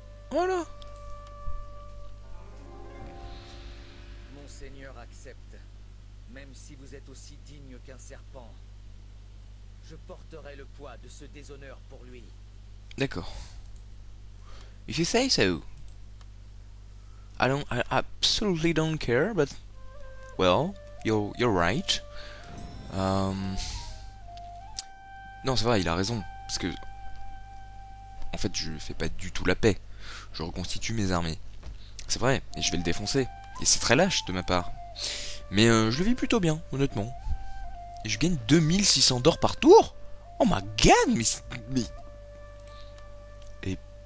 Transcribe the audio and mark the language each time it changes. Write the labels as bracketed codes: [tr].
[fr] Voilà. Monseigneur accepte, même si vous êtes aussi digne qu'un serpent. Je porterai le poids de ce déshonneur pour lui. D'accord. [en] If you say so. I absolutely don't care, but well, you're right. [fr] Non, c'est vrai, il a raison, parce que en fait, je fais pas du tout la paix. Je reconstitue mes armées. C'est vrai, et je vais le défoncer. Et c'est très lâche de ma part. Mais je le vis plutôt bien, honnêtement. Et je gagne 2600 d'or par tour. [en] Oh my god, [fr] mais... Et...